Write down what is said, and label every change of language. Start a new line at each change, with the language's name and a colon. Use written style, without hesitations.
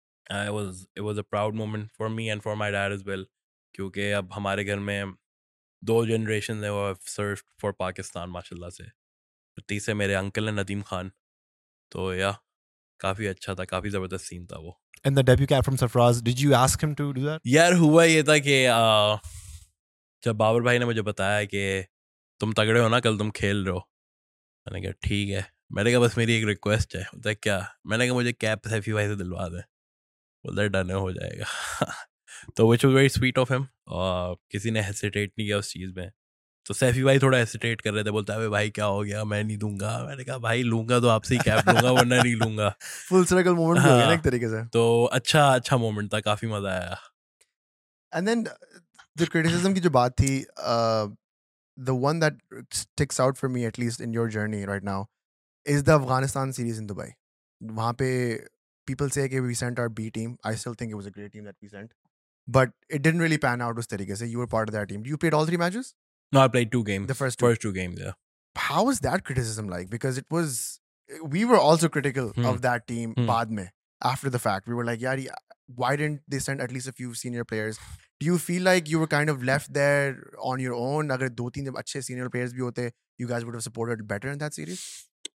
English: It was a proud moment for me and for my dad as well.
Hindi: क्योंकि अब हमारे घर में दो जनरेशन है वो
English: have served for Pakistan,
Hindi: माशाल्लाह से. तीसरे मेरे अंकल हैं नदीम खान. तो या काफ़ी अच्छा था, काफ़ी ज़बरदस्त सीन था वो.
English: And the debut cap from Sarfraz, did you ask him to do that?
Hindi: यार हुआ ये था कि जब बाबर भाई ने मुझे बताया कि तुम तगड़े हो ना कल तुम खेल रहे हो, मैंने कहा ठीक है. मैंने कहा बस मेरी एक रिक्वेस्ट है. बोलता क्या? मैंने कहा मुझे कैप सैफी भाई से दिलवा दें. बोलता डन हो जाएगा. तो
English: Which was very sweet of him.
Hindi: किसी ने हेसिटेट नहीं किया उस चीज़ में, तो सैफी भाई थोड़ा हेसिटेट कर रहे थे, बोलता है भाई क्या हो गया, मैं नहीं दूंगा. मैंने कहा भाई लूंगा तो आपसे ही कैब लूंगा वरना नहीं लूंगा. फुल सर्कल मोमेंट हो गया एक तरीके से. तो अच्छा अच्छा मोमेंट था, काफी मजा आया.
English: And then the criticism की जो बात थी, the one that sticks out for me at least in your journey right now is the Afghanistan series in Dubai. वहां पे people say कि we sent our B team, I still think it was a great team that we sent, but it didn't really pan out उस तरीके से. You were part of that team, you played all three matches? No, I played two games. The first two games, yeah. How was that criticism like? Because it was, we were also critical of that team baad mein, after the fact. We were like, yari, why didn't they send at least a few senior players? Do you feel like you were kind of left there on your own?
Hindi: Agar do teen jab acche senior players bhi hote,
English: you guys would have supported better in that series?